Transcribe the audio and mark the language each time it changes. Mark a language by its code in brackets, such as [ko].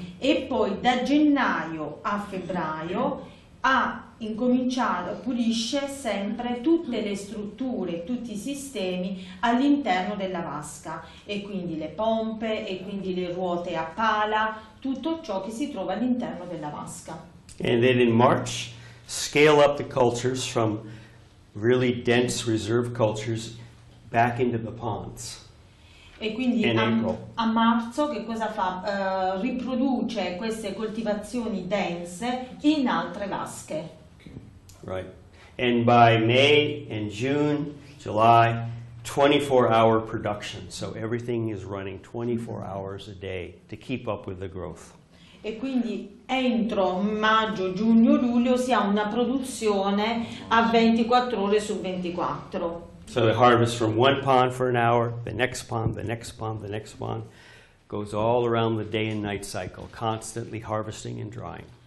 [it] e poi da gennaio a febbraio ha incominciato, pulisce sempre tutte le strutture, tutti i sistemi all'interno della vasca, e quindi le pompe, e quindi le ruote a pala, tutto ciò che si trova all'interno della vasca. [en] And then in March, scale up the cultures from really dense reserve cultures back into the ponds. [it] E quindi a marzo che cosa fa? Riproduce queste coltivazioni dense in altre vasche. [en] Right. And by May and June, July, 24-hour production. So everything is running 24 hours a day to keep up with the growth. [it] E quindi entro maggio, giugno, luglio si ha una produzione a 24 ore su 24. [en] So the harvest from one pond for an hour, the next pond, the next pond, the next pond, goes all around the day and night cycle, constantly harvesting and drying.